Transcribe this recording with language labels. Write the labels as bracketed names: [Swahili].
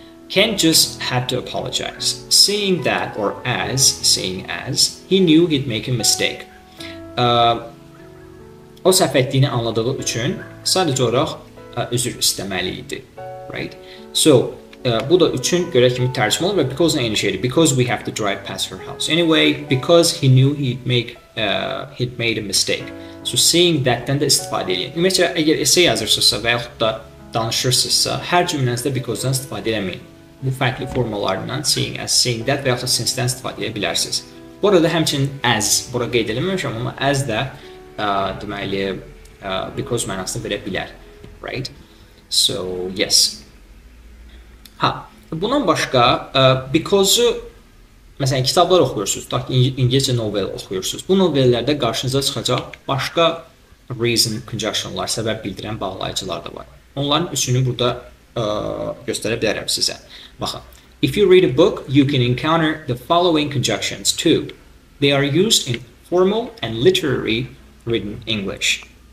[English] Ken just had to apologize, seeing that, or as, seeing as, he knew he'd make a mistake. [Azerbaijani] O səhv etdiyini anladığı üçün sadəcə olaraq üzr istəməli idi, right? So, bu da üçün görə kimi tərcümə olur və because nə eyni şeydir? [English] Because we have to drive past her house. Anyway, because he knew he'd made a mistake. [Azerbaijani] So, seeing that-dən də istifadə edin. Ümumiyyətlə, əgər essay yazırsınızsa və yaxud da danışırsınızsa, hər cümlənizdə because-dən istifadə edəməyin. Bu fərqli formalarından seeing as, seeing that və yaxud da since-dən istifadə edə bilərsiniz. Bu arada həmçinin as, bura qeyd eləməmişəm, amma as də deməli, because mənasını verə bilər, right? [English] So, yes. [Azerbaijani] Ha, bundan başqa, because-u, məsələn, kitablar oxuyursunuz, tutaq ki, ingiliscə novel oxuyursunuz. Bu novellərdə qarşınıza çıxacaq başqa reason conjunctionlar, səbəb bildirən bağlayıcılar da var. Onların üçünü burada göstərə bilərəm sizə. [English] Baxın, if you read a book, you can encounter the following conjunctions too. They are used in formal and literary written English.